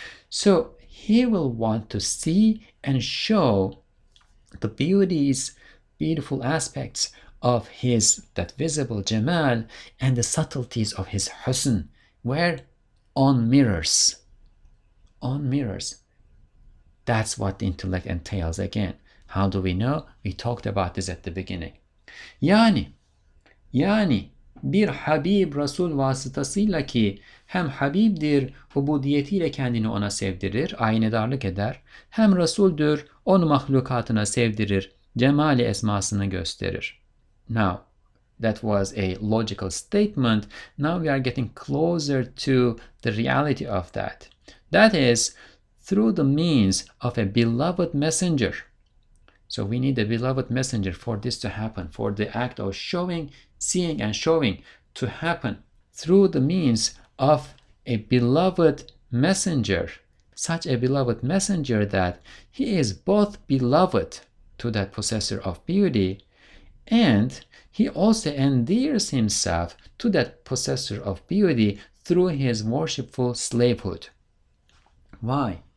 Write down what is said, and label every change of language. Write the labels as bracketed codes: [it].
[en] So he will want to see and show the beauties, beautiful aspects of his, that visible jamal, and the subtleties of his husn. Where? On mirrors. On mirrors. That's what the intellect entails again. How do we know? We talked about this at the beginning. [tr] Yani, bir habib rasul vasıtasıyla ki hem habibdir, hubudiyetiyle kendini ona sevdirir, aynedarlık eder, hem rasuldür, onu mahlukatına sevdirir, cemali esmasını gösterir. [en] Now, that was a logical statement. Now we are getting closer to the reality of that. That is, through the means of a beloved messenger. So we need a beloved messenger for this to happen, for the act of showing, seeing, and showing to happen through the means of a beloved messenger, such a beloved messenger that he is both beloved to that possessor of beauty, and he also endears himself to that possessor of beauty through his worshipful slavehood. Why?